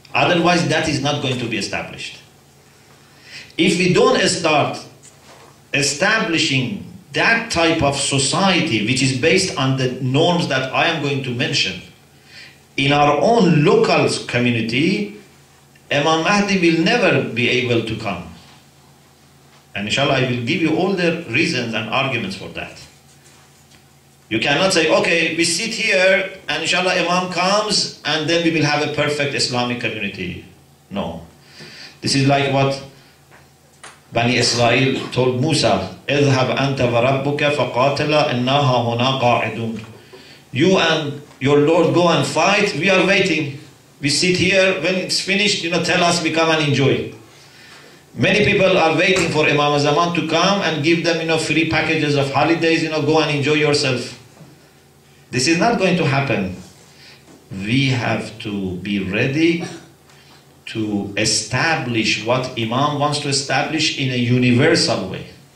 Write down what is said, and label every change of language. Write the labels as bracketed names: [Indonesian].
[English] Otherwise, that is not going to be established. If we don't start establishing that type of society, which is based on the norms that I am going to mention, in our own local community, Imam Mahdi will never be able to come. And inshallah, I will give you all the reasons and arguments for that. You cannot say, okay, we sit here, and inshallah, Imam comes, and then we will have a perfect Islamic community. No. This is like what Bani Israel told Musa, [Arabic] اذهب أنت وربك فقاتلا إنها هنا قاعدون. [English] You and your Lord go and fight, we are waiting. We sit here, when it's finished, you know, tell us, we come and enjoy. Many people are waiting for Imam Zaman to come and give them, you know, free packages of holidays, you know, go and enjoy yourself. This is not going to happen. We have to be ready to establish what Imam wants to establish in a universal way.